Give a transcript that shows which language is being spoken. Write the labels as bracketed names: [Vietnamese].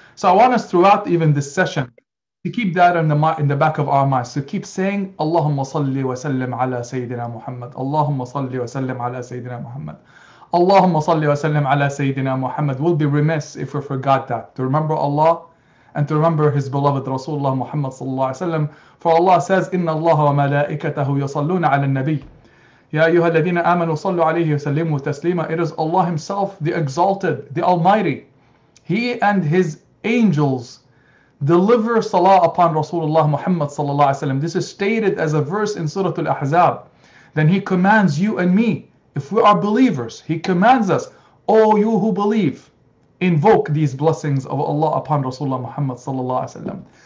[English] So I want us throughout even this session to keep that in the back of our minds, to keep saying, Allahumma salli wa sallim ala Sayyidina Muhammad. Allahumma salli wa sallim ala Sayyidina Muhammad. Allahumma salli wa sallim ala Sayyidina Muhammad. We'll be remiss if we forgot that, to remember Allah and to remember his beloved Rasulullah Muhammad sallallahu alayhi wa sallam. For Allah says, [Arabic] إِنَّ اللَّهَ وَمَلَائِكَتَهُ يَصَلُّونَ عَلَى النَّبِيِّ يَا أَيُّهَا الَّذِينَ آمَنُوا صَلُّوا عَلَيْهِ وَسَلِّمُوا تَسْلِيمًا. [English] It is Allah himself, the exalted, the almighty. He and his angels deliver salah upon Rasulullah Muhammad sallallahu alayhi wa sallam. This is stated as a verse in Surah Al-Ahzab. Then he commands you and me, if we are believers, he commands us, O you who believe, invoke these blessings of Allah upon Rasulullah Muhammad sallallahu alayhi wa sallam.